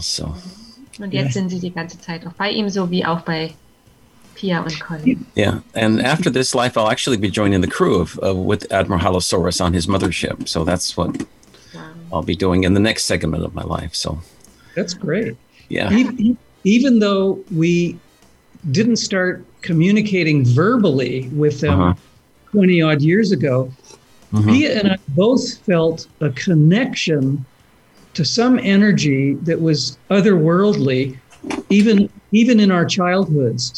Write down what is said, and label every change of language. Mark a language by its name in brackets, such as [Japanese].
[English] So. [German] Und jetzt sind sie die ganze Zeit auch bei ihm, so wie auch bei Pia und Colin. [English] Yeah, and after this life, I'll actually be joining the crew with Admiral Halosaurus on his mothership. So that's what I'll be doing in the next segment of my life. So that's great. Yeah. Even though we didn't start communicating verbally with them 20 odd years ago, Pia and I both felt a connection to some energy that was otherworldly, even in our childhoods.